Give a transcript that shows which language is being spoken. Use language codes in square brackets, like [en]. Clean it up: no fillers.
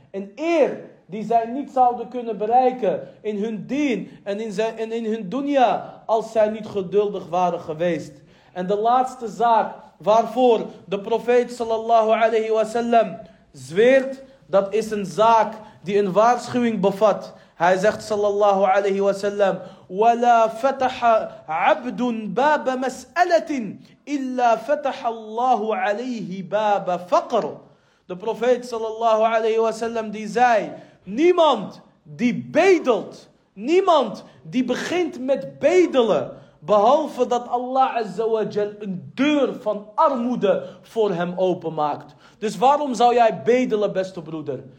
[nl] Een eer die zij niet zouden kunnen bereiken in hun dien en in hun dunya als zij niet geduldig waren geweest. En de laatste zaak waarvoor de profeet sallallahu alayhi wa sallam zweert, dat is een zaak die een waarschuwing bevat. Hij zegt [ar] sallallahu alayhi wa sallam, وَلَا فَتَحَ عَبْدٌ بَابَ مَسْأَلَةٍ إِلَّا فَتَحَ اللَّهُ عَلَيْهِ بَابَ فَقْرٍ. [nl] De profeet sallallahu alayhi wa sallam die zei, niemand die bedelt, niemand die begint met bedelen, behalve dat Allah azawajal een deur van armoede voor hem openmaakt. Dus waarom zou jij bedelen, beste broeder?